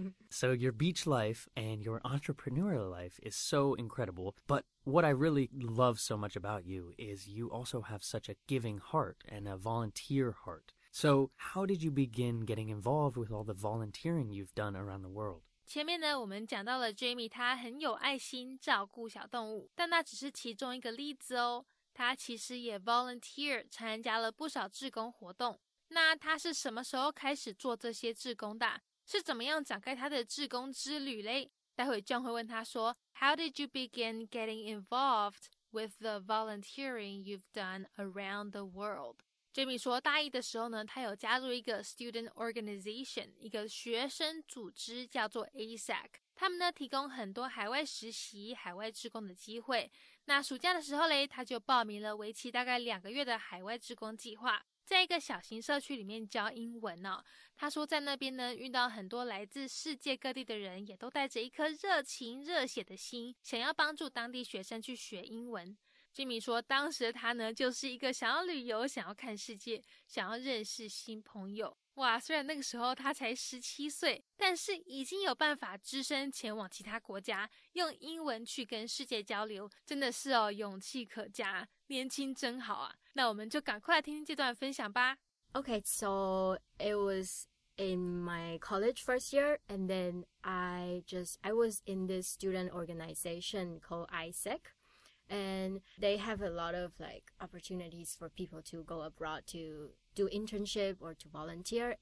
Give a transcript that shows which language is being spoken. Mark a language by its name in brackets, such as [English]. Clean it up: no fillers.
[English] So your beach life and your entrepreneurial life is so incredible. But what I really love so much about you is you also have such a giving heart and a volunteer heart. So how did you begin getting involved with all the volunteering you've done around the world? [Chinese] 前面呢我们讲到了 Jamie 他很有爱心照顾小动物，但那只是其中一个例子哦。他其实也 volunteer 参加了不少志工活动。那他是什么时候开始做这些志工的？是怎么样展开他的志工之旅嘞？待会 John 会问他说 [English] How did you begin getting involved with the volunteering you've done around the world? [Chinese] Jamie 说大一的时候呢，他有加入一个 [English] student organization, [Chinese] 一个学生组织叫做 ASAC。他们呢提供很多海外实习、海外志工的机会。那暑假的时候呢，他就报名了为期大概两个月的海外志工计划，在一个小型社区里面教英文哦。他说在那边呢遇到很多来自世界各地的人，也都带着一颗热情热血的心，想要帮助当地学生去学英文。 Jamie 说当时他呢就是一个想要旅游，想要看世界，想要认识新朋友。哇，虽然那个时候他才17岁，但是已经有办法只身前往其他国家，用英文去跟世界交流，真的是哦，勇气可嘉，年轻真好啊。那我们就赶快来听听这段分享吧。 [English] Okay, so it was in my college first year, and then I was in this student organization called ISAC. And they have a lot of like opportunities for people to go abroad to do internship or to volunteer.